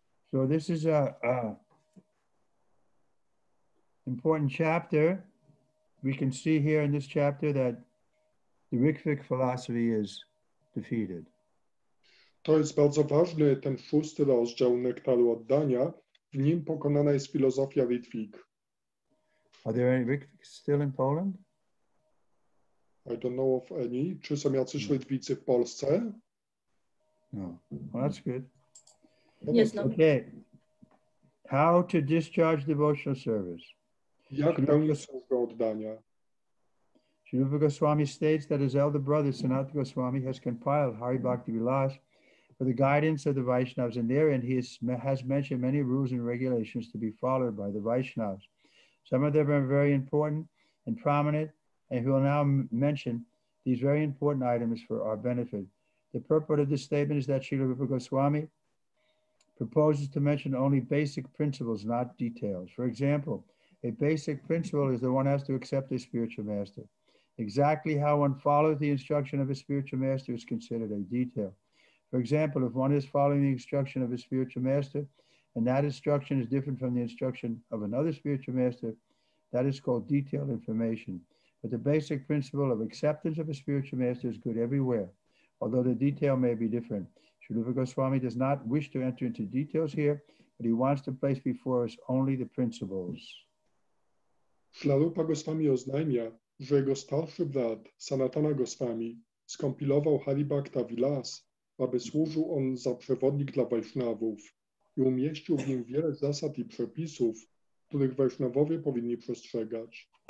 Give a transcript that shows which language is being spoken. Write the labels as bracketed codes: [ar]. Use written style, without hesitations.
[en] So this is a important chapter. We can see here in this chapter that the Rikvik philosophy is defeated. [pl] To jest bardzo ważny, ten szósty rozdział Nektaru Oddania. W nim pokonana jest filozofia Rikvik. [en] Are there any Rikviks still in Poland? I don't know of any. [pl] Czy są jacyś Rikvicy w Polsce? [en] No. Well, that's good. Yes, no. Okay. How to discharge devotional service? [pl] Jak pełnić służbę oddania? [en] Sri Rupa Goswami states that his elder brother, Sanat Goswami, has compiled Hari Bhakti Vilas for the guidance of the Vaishnavas, and therein he has mentioned many rules and regulations to be followed by the Vaishnavas. Some of them are very important and prominent, and he will now mention these very important items for our benefit. The purport of this statement is that Srila Rupa Goswami proposes to mention only basic principles, not details. For example, a basic principle is that one has to accept a spiritual master. Exactly how one follows the instruction of a spiritual master is considered a detail. For example, if one is following the instruction of a spiritual master and that instruction is different from the instruction of another spiritual master, that is called detailed information. But the basic principle of acceptance of a spiritual master is good everywhere, although the detail may be different. Sri Rupa Goswami does not wish to enter into details here, but he wants to place before us only the principles. [pl] Sri Rupa Goswami oznajmia, że jego starszy brat, Sanatana Goswami, skompilował Hari Bhakta Vilas, aby służył on za przewodnik dla Vaishnavów i umieścił w nim wiele zasad i przepisów, których Vaishnavowie powinni przestrzegać.